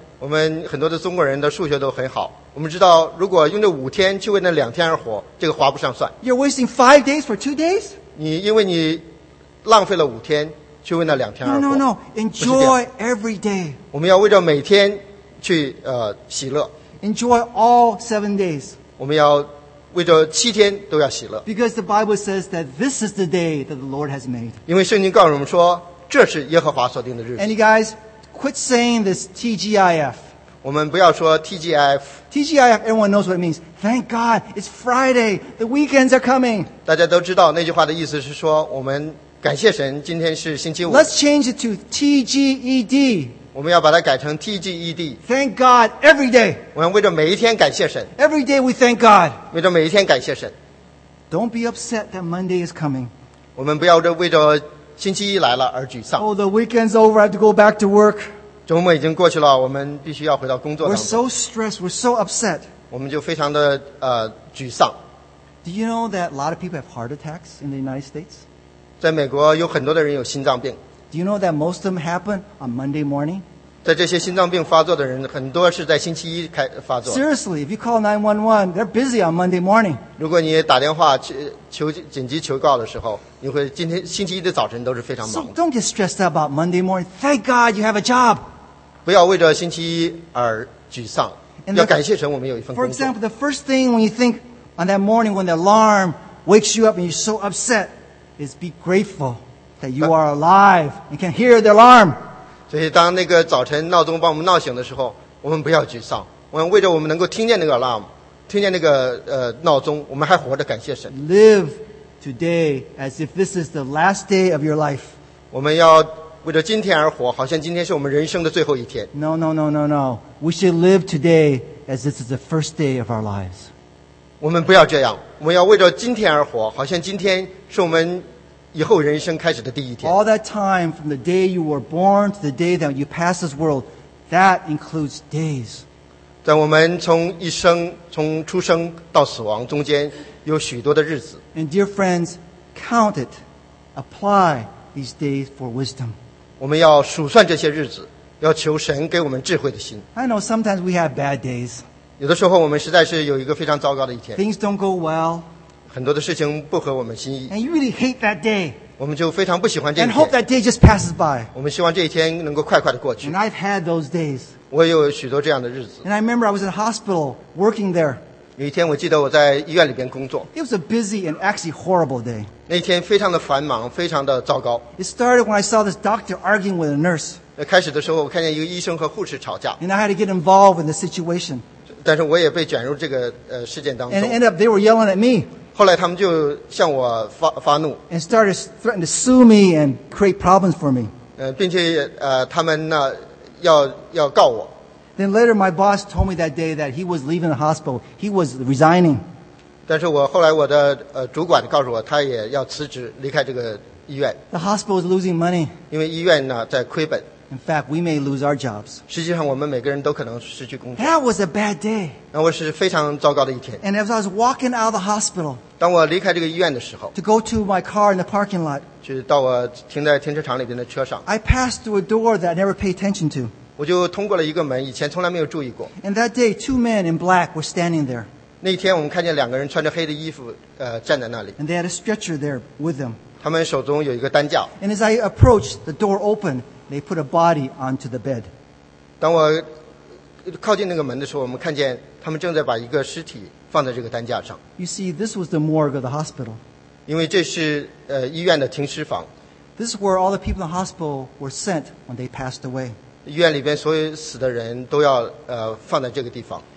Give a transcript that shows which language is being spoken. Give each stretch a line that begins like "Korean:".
Chinese: 我们很多的中国人的数学都很好，我们知道如果用这五天去为那两天而活，这个划不上算。
English: You're wasting 5 days for 2 days?
Chinese: 你因为你浪费了五天去为那两天而活。
English: No, enjoy every day.
Chinese: 我们要为着每天去喜乐。
English: Enjoy all 7 days.
Chinese: 我们要为着七天都要喜乐。
English: Because the Bible says that this is the day that the Lord has made.
Chinese: 因为圣经告诉我们说，这是耶和华所定的日子。
English: And you guys, quit saying this TGIF.
Chinese: 我们不要说 TGIF.
English: TGIF, everyone knows what it means. Thank God, it's Friday. The weekends are coming.
Chinese: 大家都知道那句话的意思是说，我们感谢神，今天是星期五。
English: Let's change it to TGED.
Chinese: 我们要把它改成 TGED.
English: Thank God every day.
Chinese: 我们为着每一天感谢神。
English: Every day we thank God.
Chinese: 为着每一天感谢神。
English: Don't be upset that Monday is coming.
Chinese: 我们不要为着星期一来了而沮丧。
English: Oh, the weekend's over. I have to go back to work.
Chinese: 周末已经过去了，我们必须要回到工作当中。
English: We're so stressed. We're so upset.
Chinese: 我们就非常的沮丧。
English: Do you know that a lot of people have heart attacks in the United States?
Chinese: 在美国有很多的人有心脏病。
English: Do you know that most of them happen on Monday morning?
Chinese: 在这些心脏病发作的人，很多是在星期一开发作。
English: Seriously, if you call 911, they're busy on Monday morning.
Chinese: 如果你打电话求紧急求告的时候，你会今天星期一的早晨都是非常忙。
English: So don't get stressed about Monday morning. Thank God you have a job.
Chinese: 不要为着星期一而沮丧，要感谢神我们有一份工作。
English: For example, the first thing when you think on that morning when the alarm wakes you up and you're so upset is be grateful. That you are alive. You can hear the alarm.
Chinese: 所以当那个早晨闹钟把我们闹醒的时候，我们不要沮丧。我们为着我们能够听见那个 alarm， 听见那个闹钟，我们还活着，感谢神。
English: Live today as if this is the last day of your life.
Chinese: 我们要为着今天而活，好像今天是我们人生的最后一天。
English: No. We should live today as this is the first day of our lives.
Chinese: 我们不要这样。我们要为着今天而活，好像今天是我们。以后人生开始的第一天。
English: All that time from the day you were born to the day that you pass this world, that includes days.
Chinese: 在我们从一生从出生到死亡中间有许多的日子。
English: And dear friends, count it, apply these days for wisdom.
Chinese: 我们要数算这些日子，要求神给我们智慧的心。
English: I know sometimes we have bad days.
Chinese: 有的时候我们实在是有一个非常糟糕的一天。
English: Things don't go well.
Chinese: 很多的事情不合我们心意。
English: And you really hate that day.
Chinese: 我们就非常不喜欢这一天。
English: And hope that day just passes by.
Chinese: 我们希望这一天能够快快的过去。
English: And I've had those days.
Chinese: 我有许多这样的日子。
English: And I remember I was in the hospital working there.
Chinese: 有一天我记得我在医院里边工作。
English: It was a busy and actually horrible day.
Chinese: 那天非常的繁忙，非常的糟糕。
English: It started when I saw this doctor arguing with a nurse.
Chinese: 开始的时候我看见一个医生和护士吵架。
English: And I had to get involved in the situation.
Chinese: 但是我也被卷入这个事件当中。
English: And ended up they were yelling at me.
Chinese: 后来他们就向我发怒
English: ，and started threatening to sue me and create problems for me.
Chinese: 并且他们呢要告我。
English: Then later, my boss told me that day that he was leaving the hospital. He was resigning.
Chinese: 但是我后来我的主管告诉我，他也要辞职离开这个医院。
English: The hospital is losing money.
Chinese: 因为医院呢在亏本。
English: In fact, we may lose our jobs.
Chinese: 实际上，我们每个人都可能失去工作。
English: That was a bad day.
Chinese: 那我是非常糟糕的一天。
English: And as I was walking out of the hospital,
Chinese: 当我离开这个医院的时候
English: ，to go to my car in the parking lot,
Chinese: 就是到我停在停车场里边的车上
English: ，I passed through a door that I never paid attention to.
Chinese: 我就通过了一个门，以前从来没有注意过。
English: And that day, two men in black were standing there.
Chinese: 那天我们看见两个人穿着黑的衣服，站在那里。
English: And they had a stretcher there with them.
Chinese: 他们手中有一个担架。
English: And as I approached, the door opened. They put a body onto the bed.
Chinese: 当我靠近那个门的时候，我们看见他们正在把一个尸体放在这个担架上。
English: You see, this was the morgue of the hospital.
Chinese: 因为这是医院的停尸房。
English: This is where all the people in the hospital were sent when they passed away.
Chinese: 医院里边所有死的人都要放在这个地方。